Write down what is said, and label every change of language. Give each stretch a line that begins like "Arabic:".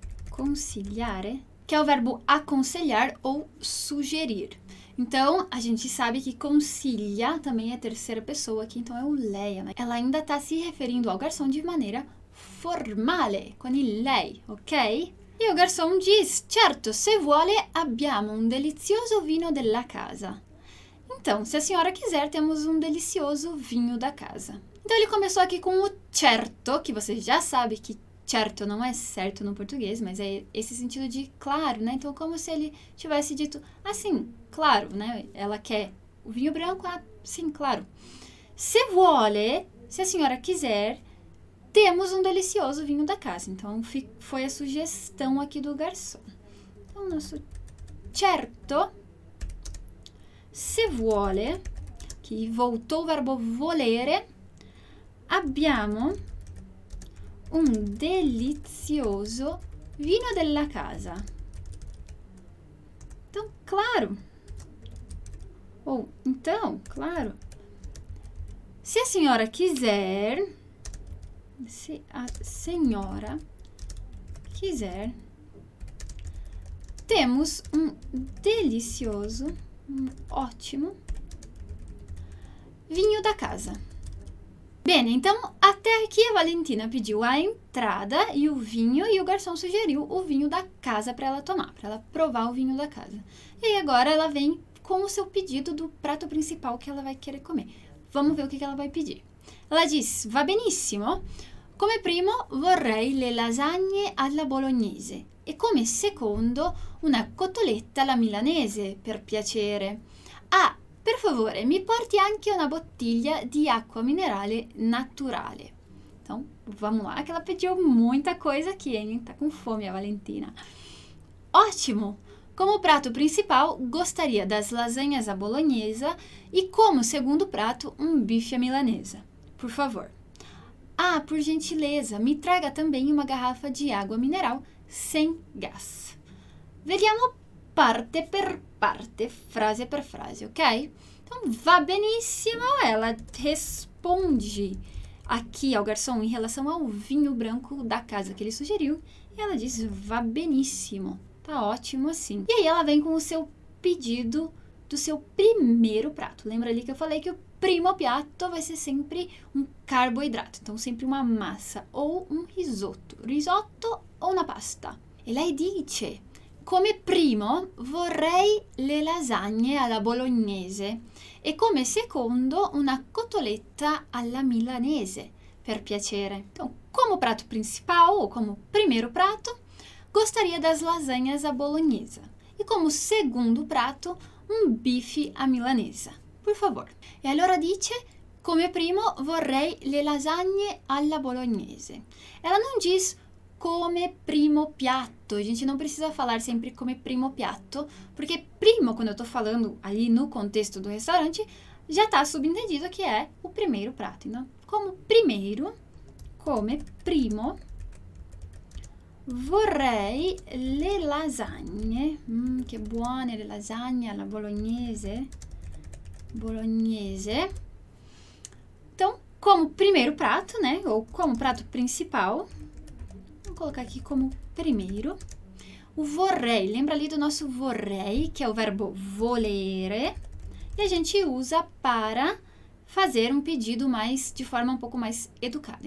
Portuguese: Consigliare. Que é o verbo aconselhar ou sugerir. Então, a gente sabe que consiglia também é terceira pessoa aqui, então é o lei, né? Ela ainda está se referindo ao garçom de maneira formale, com il lei, ok? E o garçom diz,
Italian: certo, se vuole abbiamo un delizioso vino della casa.
Portuguese: Então, se a senhora quiser, temos um delicioso vinho da casa. Então, ele começou aqui com o certo, que você já sabe que certo não é certo no português, mas é esse sentido de claro, né? Então, como se ele tivesse dito assim, claro, né? Ela quer o vinho branco, ah, sim, claro.
Italian: Se vuole,
Portuguese: se a senhora quiser, temos um delicioso vinho da casa. Então, foi a sugestão aqui do garçom. Então, nosso certo,
Italian: se vuole,
Portuguese: que voltou o verbo
Italian: volere, abbiamo un delizioso vino della casa.
Portuguese: Então, claro. Ou, então, claro. Se a senhora quiser, se a senhora quiser, temos um delicioso, um ótimo vinho da casa. Bem, então, até aqui a Valentina pediu a entrada e o vinho, e o garçom sugeriu o vinho da casa para ela tomar, para ela provar o vinho da casa. E agora ela vem com o seu pedido do prato principal que ela vai querer comer. Vamos ver o que ela vai pedir. Ela diz,
Italian: va benissimo. Come primo, vorrei le lasagne alla bolognese. E come secondo, una cotoletta alla milanese, per piacere. Ah, per favore, mi porti anche una bottiglia di acqua minerale naturale.
Portuguese: Então, vamos lá, que ela pediu muita coisa aqui, hein? Tá com fome a Valentina. Ótimo! Como prato principal, gostaria das lasanhas à bolognese e como segundo prato, um bife à milanesa. Por favor. Ah, por gentileza, me traga também uma garrafa de água mineral sem gás.
Italian: Vediamo parte per parte, frase per frase, ok?
Portuguese: Então,
Italian: va benissimo,
Portuguese: ela responde aqui ao garçom em relação ao vinho branco da casa que ele sugeriu. E ela diz,
Italian: va benissimo,
Portuguese: tá ótimo assim. E aí ela vem com o seu pedido do seu primeiro prato. Lembra ali que eu falei que o primo piatto vai ser sempre um carboidrato. Então, sempre uma massa ou um risotto. Risotto ou na pasta.
Italian: E lei dice... Come primo vorrei le lasagne alla bolognese e come secondo una cotoletta alla milanese, Per piacere.
Portuguese: Então, como prato principal, ou como primeiro prato, gostaria das lasanhas à bolonhesa. E como segundo prato, bife à milanesa. Por favor.
Italian: E allora dice, come primo vorrei le lasagne alla bolognese.
Portuguese: Ela não diz
Italian: come primo piatto.
Portuguese: A gente não precisa falar sempre come primo piatto, porque primo, quando eu estou falando ali no contexto do restaurante, já está subentendido que é o primeiro prato. Então, como primeiro,
Italian: come primo, vorrei le lasagne. Che buone le lasagne alla bolognese. Bolognese.
Portuguese: Então, como primeiro prato, né? Ou como prato principal. Vou colocar aqui como primeiro. O vorrei. Lembra ali do nosso vorrei, que é o verbo volere. E a gente usa para fazer um pedido mais, de forma um pouco mais educada.